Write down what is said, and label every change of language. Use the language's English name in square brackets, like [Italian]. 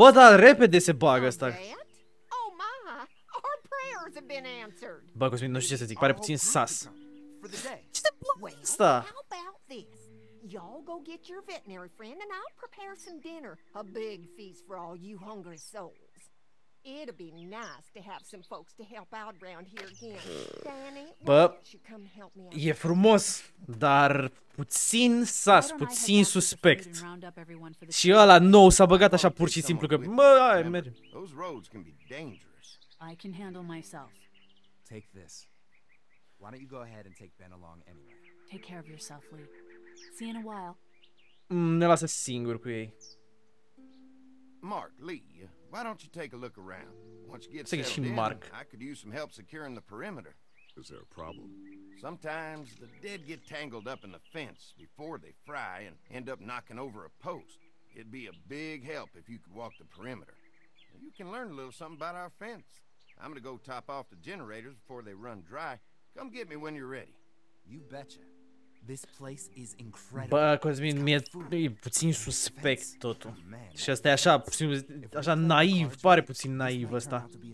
[Romanian] Bă, dar repede se bagă ăsta. [English] Oh my, our prayers have been answered. [Romanian] Bă, Cosmin, nu știu ce să zic. Pare puțin sus. Ce te blui? Asta. [English] y'all go get your veterinary friend and I'll prepare some dinner. A big feast for all you hungry souls. It'll be nice to have some folks to help out around here again. Danny, [Romanian] bă, [English] you come help me out? [Romanian] E frumos, dar puțin sus, puțin suspect. Și ăla nou s-a băgat așa pur și simplu că, mă, hai, merg. [English] Those roads can be dangerous. I can handle myself. Take this. Why don't you go ahead and take Ben along anyway? Take care of yourself, Lee. See you in a while. Ne lasă singur cu ei. Mark, Lee, why don't you take a look around? Once you get settled in, Mark. I could use some help securing the perimeter. Is there a problem? Sometimes the dead get tangled up in the fence before they fry and end up knocking over a post. It'd be a big help if you could walk the perimeter. You can learn a little something about our fence. I'm gonna go top off the generators before they run dry. Come get me when you're ready. You betcha. This place is incredible. [Romanian] Bă, Cosmin, mie e puțin suspect totul. Și asta e așa, puțin, așa naiv, pare puțin naiv ăsta.